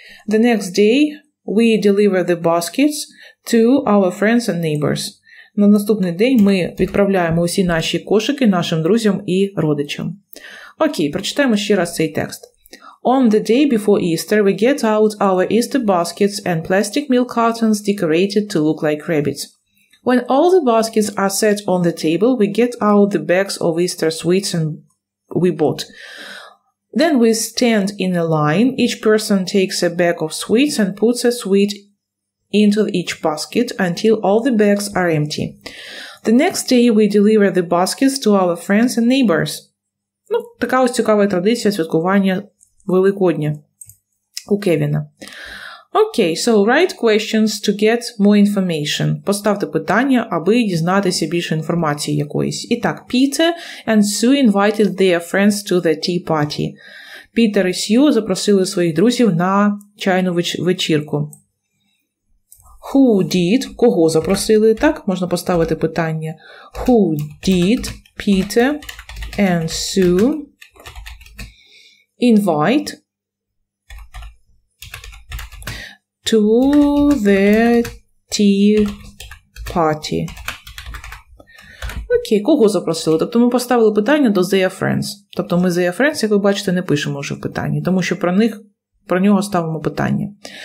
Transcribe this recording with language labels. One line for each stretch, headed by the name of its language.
English: The next day we deliver the baskets to our friends and neighbors.
Ukrainian: На наступний день ми відправляємо усі наші кошики нашим друзям і родичам. Окей, прочитаємо ще раз цей текст.
English: On the day before Easter, we get out our Easter baskets and plastic milk cartons decorated to look like rabbits. When all the baskets are set on the table, we get out the bags of Easter sweets and we bought. Then we stand in a line, each person takes a bag of sweets and puts a sweet into each basket until all the bags are empty. The next day we deliver the baskets to our friends and neighbors.
Ukrainian: Ну, така ось цікава традиція святкування Великодня у Кевіна.
English: Окей, so write questions to get more information.
Ukrainian: Поставте питання, аби дізнатися більше інформації якоїсь. І так,
English: Peter and Sue invited their friends to the tea party.
Ukrainian: Peter і Sue запросили своїх друзів на чайну вечірку.
English: Who did?
Ukrainian: Кого запросили? Так, можна поставити питання.
English: Who did Peter and Sue invite to the tea party?
Ukrainian: Окей, кого запросили? Тобто ми поставили питання до
English: their friends.
Ukrainian: Тобто ми
English: their friends,
Ukrainian: як ви бачите, не пишемо вже в питанні, тому що про нього ставимо питання.